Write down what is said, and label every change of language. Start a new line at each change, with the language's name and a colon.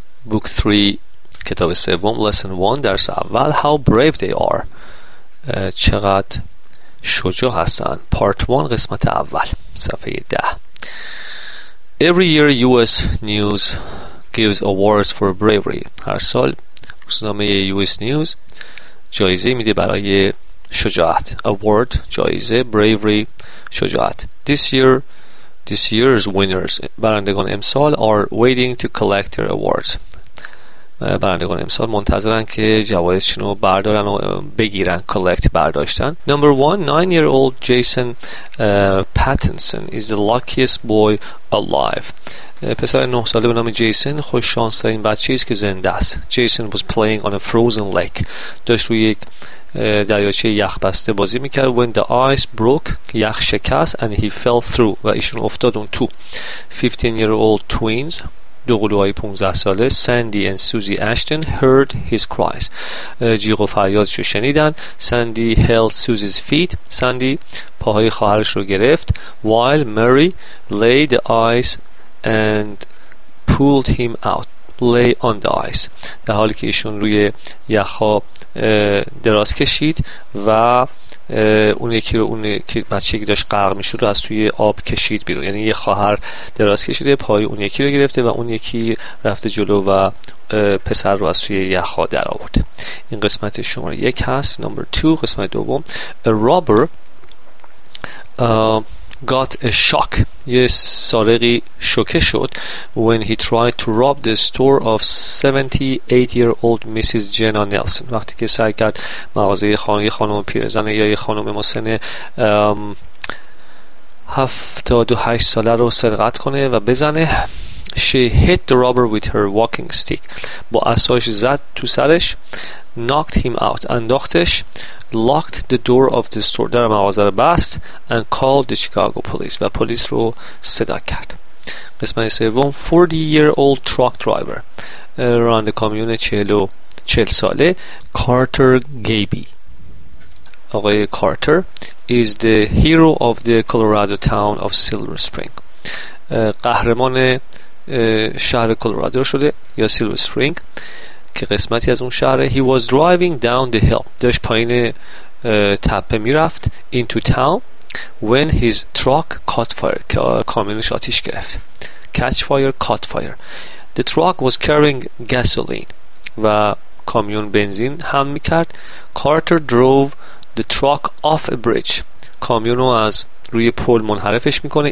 English: Book 3,
Persian: کتاب سوم,
English: Lesson 1,
Persian: درس اول,
English: How Brave They Are,
Persian: چقدر شجاع هستن.
English: Part 1,
Persian: قسمت اول, صفحه 10.
English: Every year US News gives awards for bravery.
Persian: هر سال روزنامه US News جایزه میده برای شجاعت.
English: Award,
Persian: جایزه.
English: Bravery,
Persian: شجاعت.
English: This year's winners,
Persian: برندگان امسال,
English: are waiting to collect their awards.
Persian: برندگان امسال منتظرن که جوایزشون رو بردارن و بگیرن.
English: Collect,
Persian: برداشتن.
English: Number one, 9-year-old Jason Pattinson is the luckiest boy alive.
Persian: پسر 9 ساله به نام جیسن خوششانس‌ترین بچه است که زنده است.
English: Jason was playing on a frozen lake.
Persian: داشت روی یک دریاچه یخ بسته بازی میکرد.
English: When the ice broke,
Persian: یخ شکست,
English: and he fell through,
Persian: و ایشون افتاد اون تو.
English: 15-year-old twins,
Persian: دو قلوهای 15 ساله,
English: Sandy and Susie Ashton, heard his cries.
Persian: جیغ و فریادش رو شنیدن.
English: Sandy held Susie's feet.
Persian: Sandy پاهای خواهرش رو گرفت.
English: While Mary laid the ice and pulled him out. Lay on the ice.
Persian: در حالی که ایشون روی یخ ها دراز کشید و اون یکی رو, اون که بچه که داشت غرق میشد رو از توی آب کشید بیرون. یعنی یه خواهر دراز کشیده, پای اون یکی رو گرفته و اون یکی رفته جلو و پسر رو از توی یخ ها در آورد. این قسمت شماره یک هست. نمبر تو, قسمت دوم.
English: A robber got a shock.
Persian: یه سارقی شوکه شد.
English: When he tried to rob the store of 78-year-old Mrs. Jenna Nelson.
Persian: وقتی که سعی کرد مغازه خانم پیرزن یا یه خانم مسن 78 ساله رو سرقت کنه و بزنه.
English: She hit the robber with her walking stick.
Persian: با عصاش زد تو سرش.
English: Knocked him out.
Persian: انداختش.
English: Locked the door of the store.
Persian: در مغازه رو بست.
English: And called the Chicago police.
Persian: و پلیس رو صدا کرد. قسمت سوم.
English: 40-year-old truck driver.
Persian: راننده کامیون 40 ساله.
English: Carter Gaby.
Persian: آقای کارتر.
English: Is the hero of the Colorado town of Silver Spring.
Persian: قهرمان شهر کلرادو شده یا سیلور اسپرینگ که قسمتی از اون شهره.
English: He was driving down the hill.
Persian: داشت پایین تپه میرفت.
English: Into town. When his truck caught fire.
Persian: کامیونش آتیش گرفت.
English: Catch fire, caught fire. The truck was carrying gasoline.
Persian: و کامیون بنزین هم میکرد.
English: Carter drove the truck off a bridge.
Persian: کامیونو از روی پل منحرفش میکنه.